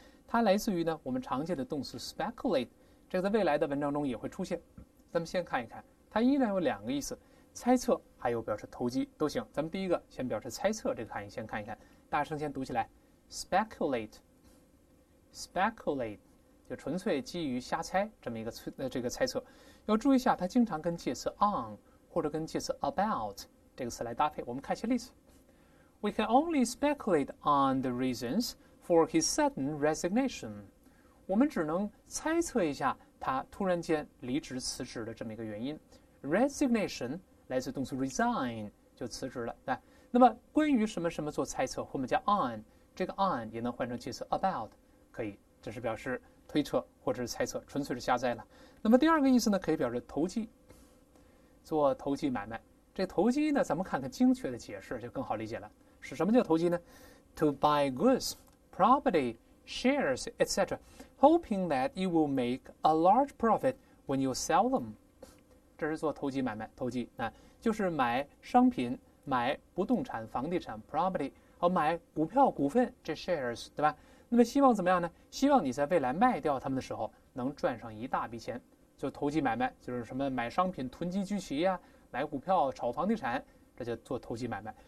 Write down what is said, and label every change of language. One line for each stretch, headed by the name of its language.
Chinese: 它来自于呢，我们常见的动词 speculate。这个在未来的文章中也会出现，咱们先看一看，它依然有两个意思，猜测还有表示投机都行。咱们第一个先表示猜测这个含义，先看一看，大声先读起来，speculate，speculate，就纯粹基于瞎猜这么一个这个猜测。要注意一下，它经常跟介词 on 或者跟介词 about 这个词来搭配。我们看一些例子，
English: We can only speculate on the reasons for his sudden resignation。
Chinese: 我们只能猜测一下他突然间离职辞职的这么一个原因。 Resignation 来自动词 resign，就辞职了。来，那么关于什么什么做猜测，后面加 on，这个 on 也能换成介词 about，可以，这是表示推测或者是猜测，纯粹是瞎猜了。那么第二个意思呢，可以表示投机，做投机买卖。这投机呢，咱们看看精确的解释就更好理解了。是什么叫投机呢？
English: To buy goods, property, shares, etc. Hoping that you will make a large profit when you sell them，
Chinese: 这是做投机买卖。投机啊，就是买商品、买不动产、房地产 （property） 和买股票、股份这 shares，对吧？那么希望怎么样呢？希望你在未来卖掉他们的时候能赚上一大笔钱。就投机买卖，就是什么买商品、囤积居奇呀、买股票、炒房地产，这叫做投机买卖。